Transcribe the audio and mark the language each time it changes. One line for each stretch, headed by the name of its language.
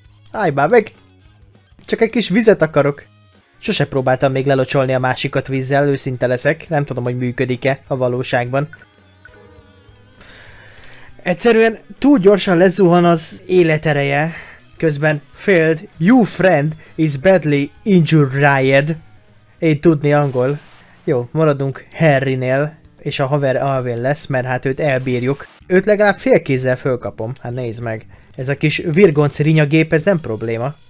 Hungarian: Állj már meg! Csak egy kis vizet akarok. Sose próbáltam még lelocsolni a másikat vízzel, őszinte leszek. Nem tudom, hogy működik-e a valóságban. Egyszerűen túl gyorsan lezuhan az életereje. Közben
English: failed, you friend is badly injured.
Hungarian: Én tudni angol. Jó, maradunk Harrynél, és a haver Alvin lesz, mert hát őt elbírjuk. Őt legalább félkézzel fölkapom. Hát nézd meg. Ez a kis virgonc rinyagép, ez nem probléma.